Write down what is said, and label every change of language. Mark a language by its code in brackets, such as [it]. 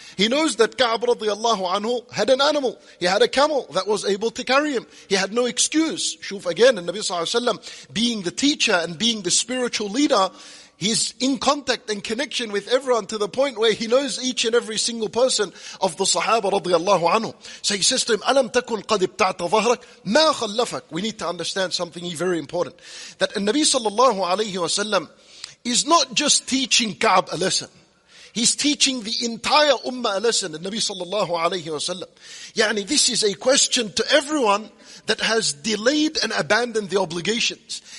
[en] He knows that Ka'b radiallahu anhu had an animal. He had a camel that was able to carry him. He had no excuse. Shuf again, and Nabi sallallahu alayhi wa sallam, being the teacher and being the spiritual leader, he's in contact and connection with everyone to the point where he knows each and every single person of the sahaba radiallahu anhu. So he says to him, [ar] أَلَمْ تَكُنْ قَدْ ابْتَعْتَ ظَهْرَكَ مَا خَلَّفَكَ. [en] We need to understand something very important. That Nabi sallallahu alayhi wa sallam is not just teaching Ka'b a lesson. He's teaching the entire ummah a lesson, the Nabi sallallahu alayhi wa sallam. Yani, this is a question to everyone that has delayed and abandoned the obligations.